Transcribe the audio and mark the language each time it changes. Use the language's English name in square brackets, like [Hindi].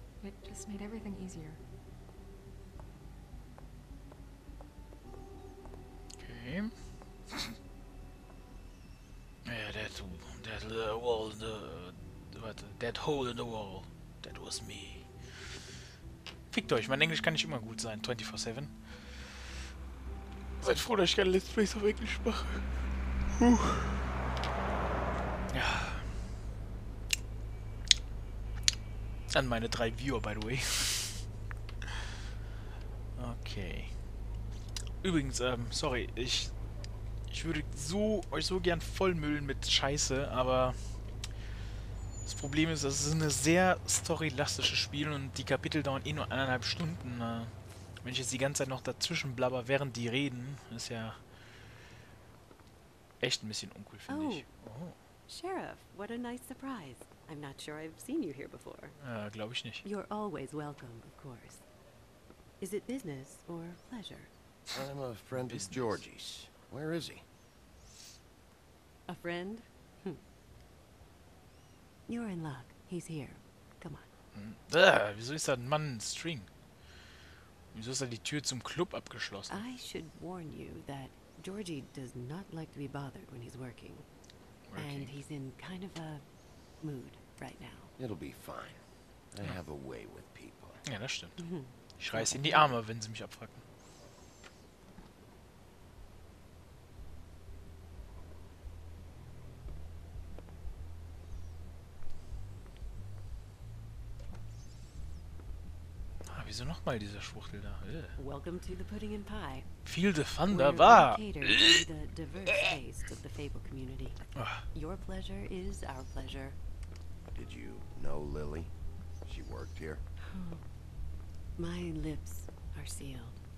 [English] It just made everything easier. Okay. Yeah, that hole in the wall. That was me. [German] Fickt euch, mein Englisch kann nicht immer gut sein, 24/7. Seid froh, dass ich keine Let's Plays auf Englisch mache. Puh. Ja. An meine 3 Viewer, by the way. [English] Okay. [German] Übrigens, sorry, ich würde so euch so gern vollmüllen mit Scheiße, aber... Das Problem ist, das ist ein sehr storylastisches Spiel und die Kapitel dauern eh nur 1,5 Stunden. Wenn ich jetzt die ganze Zeit noch dazwischen blabber, während die reden, ist ja echt ein bisschen uncool, finde ich. [English] Oh, Sheriff, what a nice surprise. I'm not sure I've seen you here before. [German] Glaube ich nicht. [English] You're always welcome, of course. Is it business or pleasure? I'm a friend of Georgie's. Where is he? A friend? You're in luck. He's here. Come on. [German] Wieso ist da ein Mann in String? Wieso ist da die Tür zum Club abgeschlossen? [English] I should warn you that Georgie does not like to be bothered when he's working. And he's in kind of a mood right now. It'll be fine. I have a way with people. [German] Ja, das stimmt. Ich reiß in die Arme, wenn sie mich abfacken. Wieso nochmal dieser Schwuchtel da? [English] Welcome to the pudding and pie. Feel the fun, da war. The diverse taste of the fable community. Your pleasure is our pleasure. Did you know Lily? She worked here. My lips are sealed.